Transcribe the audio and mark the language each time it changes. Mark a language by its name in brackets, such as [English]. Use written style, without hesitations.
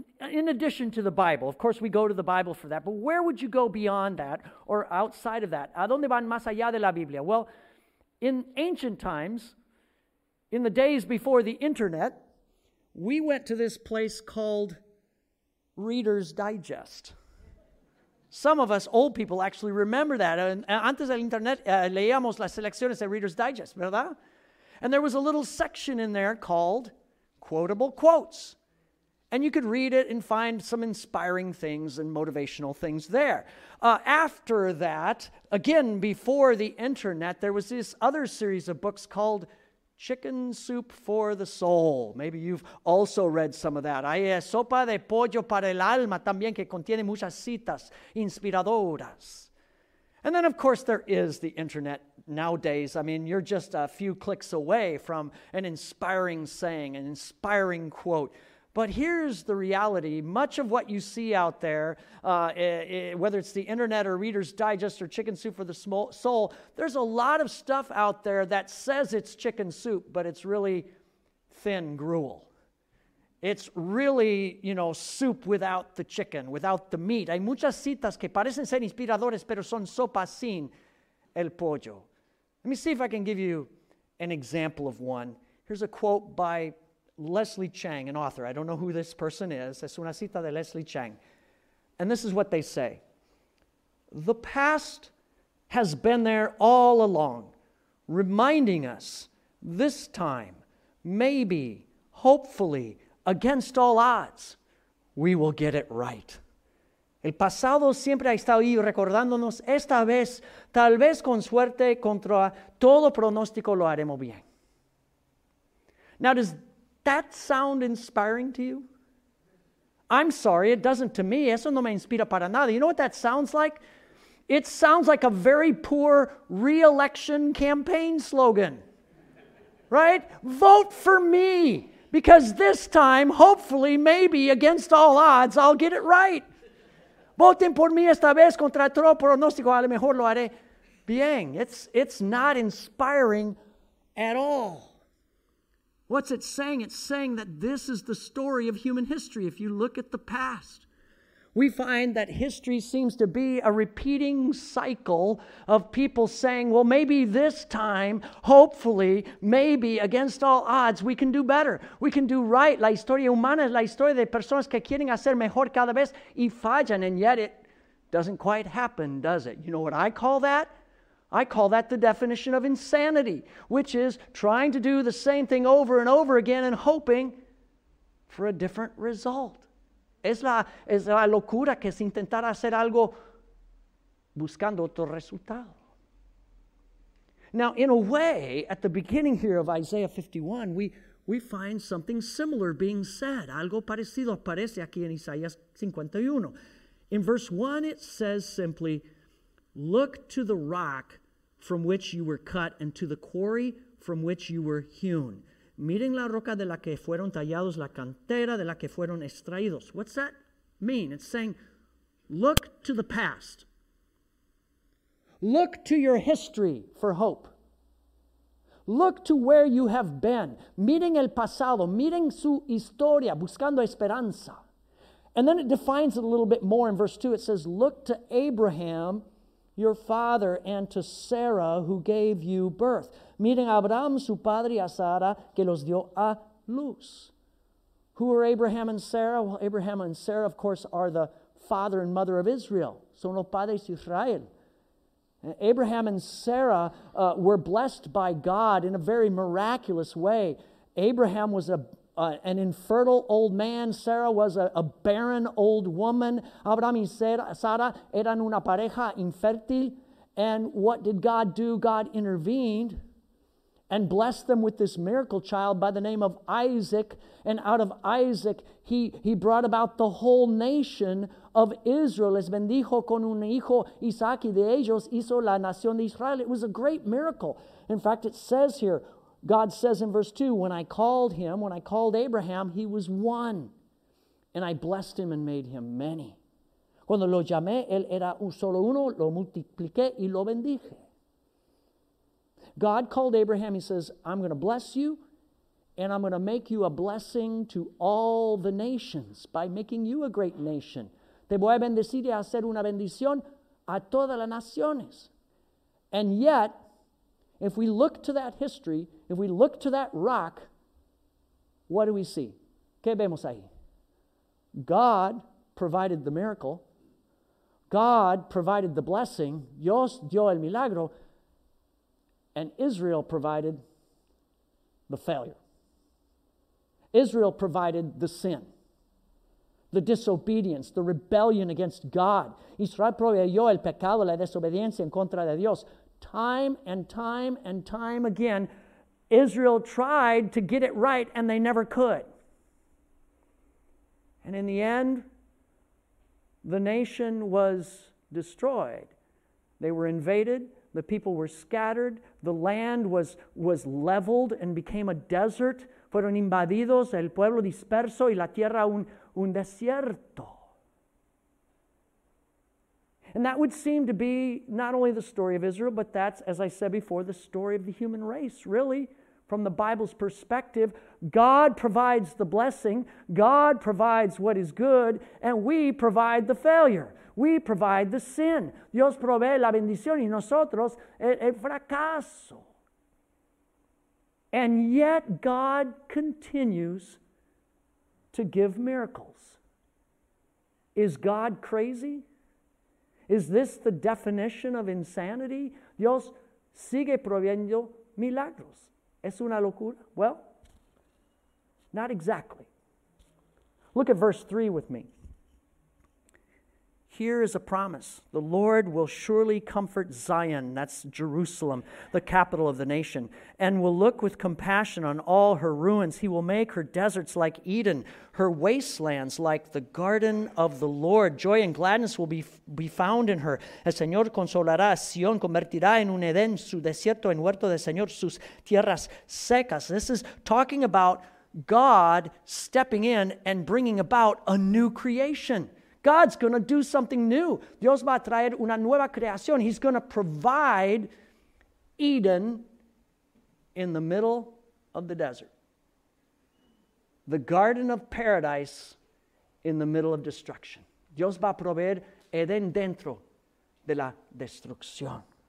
[English] In addition to the Bible, of course, we go to the Bible for that, but where would you go beyond that or outside of that? [Spanish] ¿A dónde van más allá de la Biblia? [English] Well, in ancient times, in the days before the internet, we went to this place called Reader's Digest. Some of us old people actually remember that. [Spanish] Antes del internet, leíamos las selecciones de Reader's Digest, ¿verdad? [English] And there was a little section in there called Quotable Quotes. And you could read it and find some inspiring things and motivational things there. After that, again, before the internet, there was this other series of books called Chicken Soup for the Soul. Maybe you've also read some of that. [Spanish] Hay sopa de pollo para el alma también que contiene muchas citas inspiradoras. [English] And then, of course, there is the internet nowadays. I mean, you're just a few clicks away from an inspiring saying, an inspiring quote. But here's the reality. Much of what you see out there, whether it's the internet or Reader's Digest or Chicken Soup for the Soul, there's a lot of stuff out there that says it's chicken soup, but it's really thin gruel. It's really, you know, soup without the chicken, without the meat. [Spanish] Hay muchas citas que parecen ser inspiradores, pero son sopas sin el pollo. [English] Let me see if I can give you an example of one. Here's a quote by Leslie Chang, an author. I don't know who this person is. [Spanish] Es una cita de Leslie Chang. [English] And this is what they say. The past has been there all along, reminding us this time, maybe, hopefully, against all odds, we will get it right. [Spanish] El pasado siempre ha estado ahí recordándonos esta vez, tal vez con suerte, contra todo pronóstico, lo haremos bien. [English] Now, does that sound inspiring to you? I'm sorry, it doesn't to me. [Spanish] Eso no me inspira para nada. [English] You know what that sounds like? It sounds like a very poor re-election campaign slogan, right? Vote for me, because this time, hopefully, maybe, against all odds, I'll get it right. [Spanish] Voten por mí esta vez contra todo pronóstico, a lo mejor lo haré bien. [English] It's not inspiring at all. What's it saying? It's saying that this is the story of human history. If you look at the past, we find that history seems to be a repeating cycle of people saying, well, maybe this time, hopefully, maybe against all odds, we can do better. We can do right. [Spanish] La historia humana es la historia de personas que quieren hacer mejor cada vez y fallan. [English] And yet it doesn't quite happen, does it? You know what I call that? I call that the definition of insanity, which is trying to do the same thing over and over again and hoping for a different result. [Spanish] Es la locura que es intentar hacer algo buscando otro resultado. [English] Now, in a way, at the beginning here of Isaiah 51, we find something similar being said. [Spanish] Algo parecido aparece aquí en Isaías 51. [English] In verse 1, it says simply, look to the rock from which you were cut, and to the quarry from which you were hewn. [Spanish] Miren la roca de la que fueron tallados, la cantera de la que fueron extraídos. [English] What's that mean? It's saying, look to the past. Look to your history for hope. Look to where you have been. [Spanish] Miren el pasado, miren su historia, buscando esperanza. [English] And then it defines it a little bit more in verse 2. It says, look to Abraham, your father, and to Sarah, who gave you birth. [Spanish] Miren a Abraham, su padre, y a Sara, que los dio a luz. [English] Who are Abraham and Sarah? Well, Abraham and Sarah, of course, are the father and mother of Israel. [Spanish] Son los padres de Israel. [English] Abraham and Sarah were blessed by God in a very miraculous way. Abraham was an infertile old man. Sarah was a barren old woman. [Spanish] Abraham y Sara eran una pareja infértil. [English] And what did God do? God intervened and blessed them with this miracle child by the name of Isaac. And out of Isaac, he brought about the whole nation of Israel. [Spanish] Les bendijo con un hijo Isaac y de ellos hizo la nación de Israel. [English] It was a great miracle. In fact, it says here, God says in verse 2, when I called Abraham, he was one. And I blessed him and made him many. [Spanish] Cuando lo llamé, él era solo uno, lo multipliqué y lo bendije. [English] God called Abraham, he says, I'm going to bless you, and I'm going to make you a blessing to all the nations by making you a great nation. [Spanish] Te voy a bendecir y hacer una bendición a todas las naciones. [English] And yet, if we look to that history, if we look to that rock, what do we see? [Spanish] ¿Qué vemos ahí? [English] God provided the miracle. God provided the blessing. [Spanish] Dios dio el milagro. [English] And Israel provided the failure. Israel provided the sin, the disobedience, the rebellion against God. [Spanish] Israel proveyó el pecado, la desobediencia en contra de Dios. [English] Time and time and time again, Israel tried to get it right and they never could. And in the end, the nation was destroyed. They were invaded. The people were scattered. The land was leveled and became a desert. [Spanish] Fueron invadidos, el pueblo disperso y la tierra un desierto. [English] And that would seem to be not only the story of Israel, but that's, as I said before, the story of the human race. Really, from the Bible's perspective, God provides the blessing. God provides what is good, and we provide the failure. We provide the sin. [Spanish] Dios provee la bendición y nosotros el fracaso. [English] And yet God continues to give miracles. Is God crazy? Is this the definition of insanity? [Spanish] Dios sigue proveyendo milagros. ¿Es una locura? [English] Well, not exactly. Look at verse 3 with me. Here is a promise. The Lord will surely comfort Zion, that's Jerusalem, the capital of the nation, and will look with compassion on all her ruins. He will make her deserts like Eden, her wastelands like the garden of the Lord. Joy and gladness will be found in her. [Spanish] El Señor consolará a Sion, convertirá en un Edén, su desierto en huerto del Señor, sus tierras secas. [English] This is talking about God stepping in and bringing about a new creation. God's going to do something new. [Spanish] Dios va a traer una nueva creación. [English] He's going to provide Eden in the middle of the desert. The garden of paradise in the middle of destruction. [Spanish] Dios va a proveer Eden dentro de la destrucción.